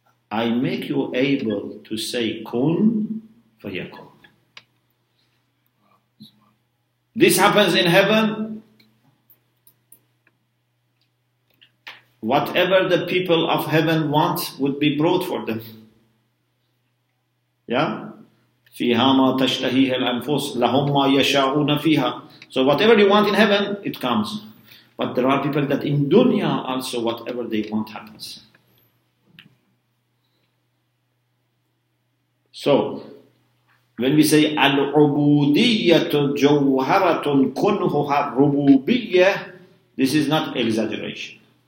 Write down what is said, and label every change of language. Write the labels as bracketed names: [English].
[English] I make you able to say [Arabic] kun fayakun. [English] This happens in heaven. Whatever the people of heaven want would be brought for them. Yeah? [Arabic] فيها ما تشتهيه الأنفس لهم ما يشاءون فيها. [English] So whatever you want in heaven, it comes. But there are people that in dunya also whatever they want happens. So when we say [Arabic] العبودية جوهرة كنهها ربوبية, [English] this is not exaggeration.